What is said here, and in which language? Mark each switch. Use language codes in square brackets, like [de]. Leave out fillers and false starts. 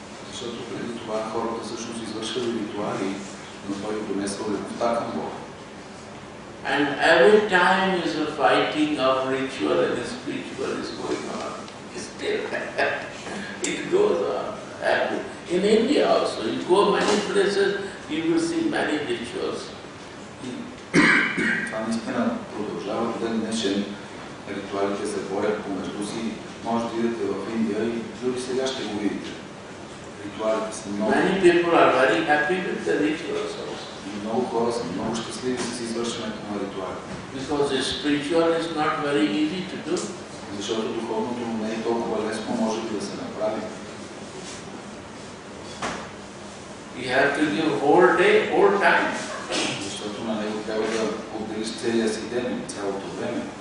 [bg] Защото преди това хората също си извършили ритуали, но тој донесел любовта към Бог. [en] And every time is a fighting of ritual and spiritual is going on. Still, it goes on. In India also, you go many places, you will see many rituals. [bg] Това наистина продължава до ден днешен. Ритуалите се борят помежду си. Може да идете в Индия и дори сега ще го видите. Ритуалите са много... [en] Many people are very happy with the rituals also. [bg] Много хора са много щастливи с извършването на ритуалите. [en] Because the spiritual is not very easy to do. [bg] Защото духовното не е толкова лесно, може да се направи. [en] You have to give whole day, whole time. [bg] Защото на него трябва да отделиш целия си ден, цялото време.